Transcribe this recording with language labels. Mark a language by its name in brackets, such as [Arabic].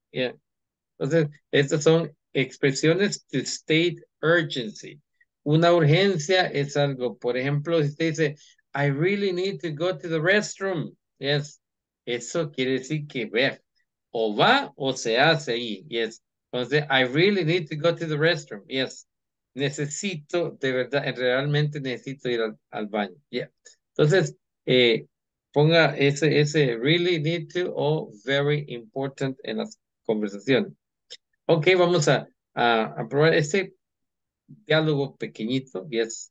[Spanish] Yeah. Entonces, estas son expresiones [English] to state urgency. [Spanish] Una urgencia es algo, por ejemplo, si usted dice, [English] I really need to go to the restroom. [Spanish] Yes. Eso quiere decir que o va o se hace ahí. [English] Yes. Entonces, I really need to go to the restroom. Yes. [Spanish] Necesito, de verdad, realmente necesito ir al baño. Yeah. Entonces, ponga ese [English] really need to [Spanish] o [English] very important [Spanish] en las conversaciones. Ok, vamos a probar este diálogo pequeñito. Yes.